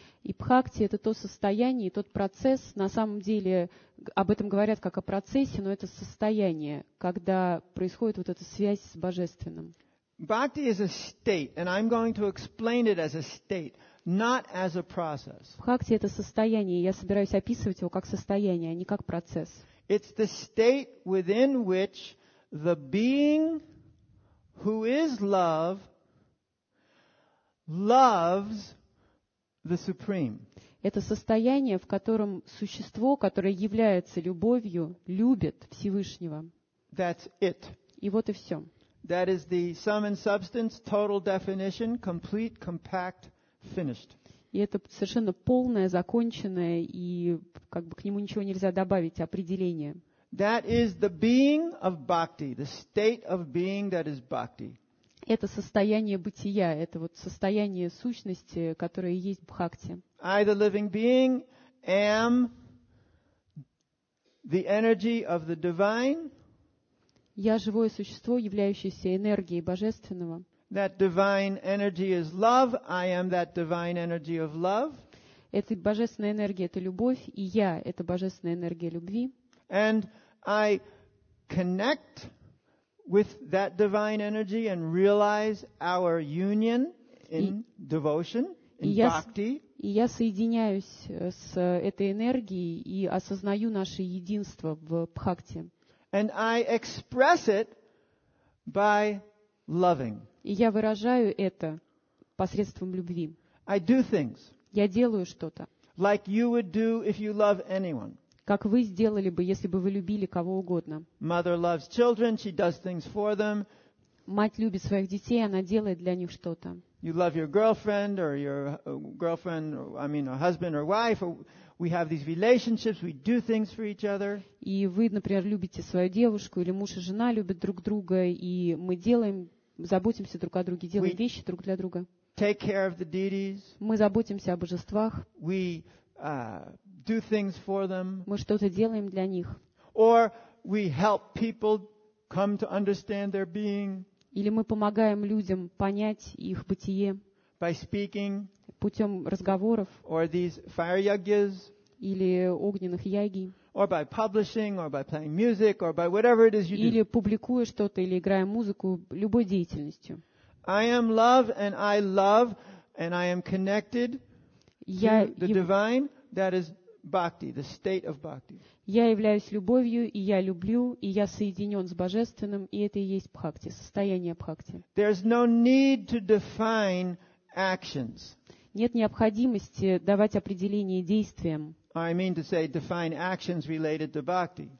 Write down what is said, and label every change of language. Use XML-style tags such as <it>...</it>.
<ru>И бхакти — это то состояние, тот процесс. На самом деле об этом говорят как о процессе, но это состояние, когда происходит вот эта связь с божественным.</ru> <en>Bhakti is a state, and I'm going to explain it as a state, not as a process.</en> <ru>Бхакти — это состояние, и я собираюсь описывать его как состояние, а не как процесс.</ru> <en>It's the state within which the being who is love loves the supreme.</en> <ru>Это состояние, в котором существо, которое является любовью, любит Всевышнего.</ru> <en>That's it.</en> <ru>И вот и все.</ru> <en>That is the sum and substance, total definition, complete, compact, finished.</en> <ru>И это совершенно полное, законченное, и как бы к нему ничего нельзя добавить, определение.</ru> <en>That is the being of bhakti, the state of being that is bhakti.</en> <ru>Это состояние бытия, это вот состояние сущности, которое и есть бхакти.</ru> <en>I, the living being, am the energy of the divine.</en> <ru>Я живое существо, являющееся энергией божественного.</ru> <en>That divine energy is love. I am that divine energy of love.</en> <ru>Это божественная энергия, это любовь, и я — это божественная энергия любви.</ru> <en>And I connect with that divine energy and realize our union in devotion, in bhakti.</en> <ru>И я соединяюсь с этой энергией и осознаю наше единство в бхакти.</ru> <en>And I express it by loving.</en> <ru>И я выражаю это посредством любви.</ru> <en>I do things.</en> <ru>Я делаю что-то.</ru> <en>Like you would do if you love anyone.</en> <ru>Как вы сделали бы, если бы вы любили кого угодно.</ru> <en>Mother loves children, she does things for them.</en> <ru>Мать любит своих детей, она делает для них что-то.</ru> <en>You love your girlfriend or your girlfriend, or, I mean, a husband or wife. Or we have these relationships, we do things for each other.</en> <ru>И вы, например, любите свою девушку, или муж и жена любят друг друга, и мы делаем, заботимся друг о друге, делаем вещи друг для друга.</ru> <en>Take care of the deities.</en> <ru>Мы заботимся о божествах.</ru> <en>We do things for them.</en> <ru>Мы что-то делаем для них.</ru> <en>Or we help people come to understand their being.</en> <ru>Или мы помогаем людям понять их бытие</ru> <en>by speaking,</en> <ru>путем разговоров</ru> <en>or these fire yagyas,</en> <ru>или огненных яги,</ru> <en>or by publishing, or by playing music, or by whatever it is you do.</en> <ru>Или публикуя что-то, или играя музыку, любой деятельностью.</ru> <en>I am love, and I love, and I am connected to the divine. That is bhakti, the state of bhakti.</en> <ru>Я являюсь любовью, и я люблю, и я соединен с Божественным, и это и есть бхакти, состояние бхакти.</ru> <en>There's no need to define actions.</en> <ru>Нет необходимости давать определение действиям.</ru> <en>I mean to say define actions related to bhakti.</en>